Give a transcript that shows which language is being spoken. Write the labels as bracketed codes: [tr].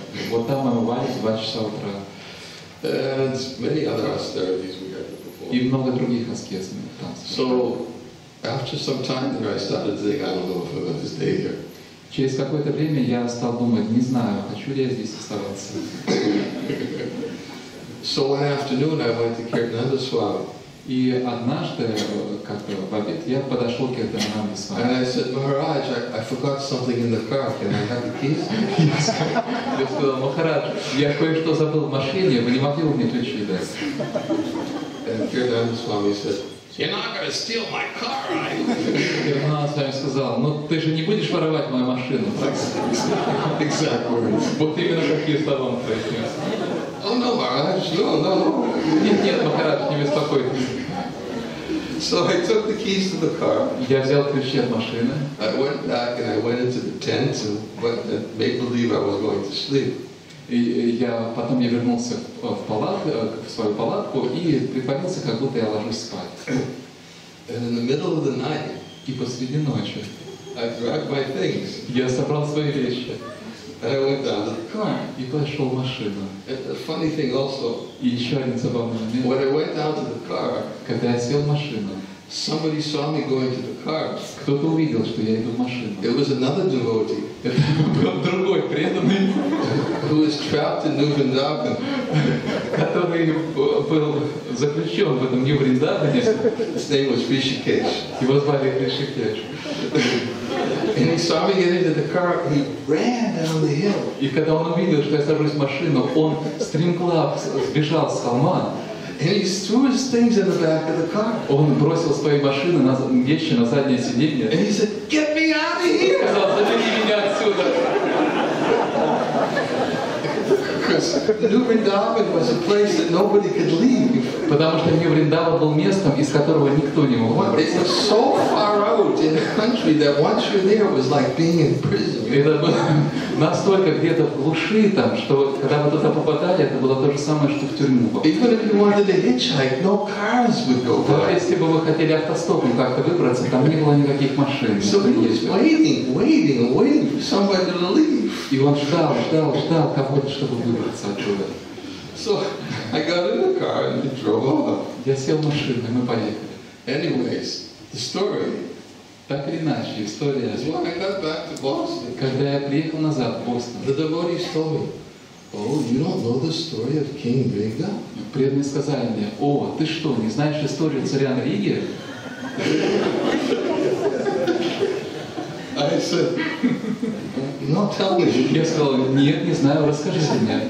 [ru] Вот там мы омывались 2 часа утра. [en] And many other austerities we had to perform. [ru] И много других аскез мы там. [en] So after some time there I started thinking, I don't know if I'm going to stay here. [ru] Через какое-то время я стал думать, не знаю, хочу ли я здесь оставаться. [en] So one afternoon I went to Kirtananda Swami. [ru] И однажды, как-то в обед, я подошел к Кирдананде Свами. [en] And I said, Maharaj, I forgot something in the car. Can I have the keys? [ru] Я сказал, Махарадж, я кое-что забыл в машине, вы не могли бы мне ключи дать? [en] And Kirtananda Swami said, You're not going to steal my car, right? [ru] Кирдананда Свами сказал, ну ты же не будешь воровать мою машину. [en] Exactly. [ru] Вот именно такие слова он произнес. [en] Oh no, Maharaj, no. [ru] Нет, нет, Махарадж, не беспокойтесь. [en] So I took the keys to the car. [ru] Я взял ключи от машины. [en] I went back and I went into the tent and made believe I was going to sleep. [ru] И я потом я вернулся в палатку, в свою палатку и притворился, как будто я ложусь спать. [en] And in the middle of the night, [ru] и посреди ночи, [en] I grabbed my things. [ru] Я собрал свои вещи. [en] And I went down to the car. [ru] И пошел в машину. [en] A funny thing also. [ru] И еще один забавный момент. [en] When I went down to the car, [ru] когда я сел в машину, [en] somebody saw me going to the car. [ru] Кто-то увидел, что я иду в машину. [en] It was another devotee. [ru] Это был другой преданный. [en] Who was trapped in New Vrindavan. [ru] Который был заключен в этом New Vrindavan. [en] His name was Rishikesh. [ru] Его звали Rishikesh. [en] And he saw me get into the car, and he ran down the hill. [ru] И когда он увидел, что я сажусь в машину, он стремглав сбежал с холма. [en] And he threw his things in the back of the car. [ru] Он бросил свои машины на вещи на заднее сиденье. [en] And he said, "Get me out of here!" [ru] Сказал, забери меня отсюда. [en] New Vrindavan was a place that nobody could leave. [ru] Потому что New Vrindavan был местом, из которого никто не мог выбраться. [en] It was so far out in the country that once you're there, it was like being in prison. [ru] Это было настолько где-то в глуши там, что когда вы туда попадали, это было то же самое, что в тюрьму. [en] Even if you wanted to hitchhike, no cars would go by. [ru] Даже если бы вы хотели автостопом как-то выбраться, там не было никаких машин. [en] So he was waiting for somebody to leave. [ru] И он ждал кого-то, чтобы выбраться. [en] So I got in the car and we drove off. [ru] Я сел в машину, мы поехали. [en] Anyways, the story. [ru] Так или иначе, история. [en] When I got back to Boston. [ru] Когда я приехал назад в Бостон. [en] The devotees told me, "Oh, you don't know the story of King Vrinda?" [ru] Преданные сказали мне, "О, ты что, не знаешь историю царя Нриги?" [en] I said. No, tell me. [ru] Я сказал, нет, не знаю, расскажите мне.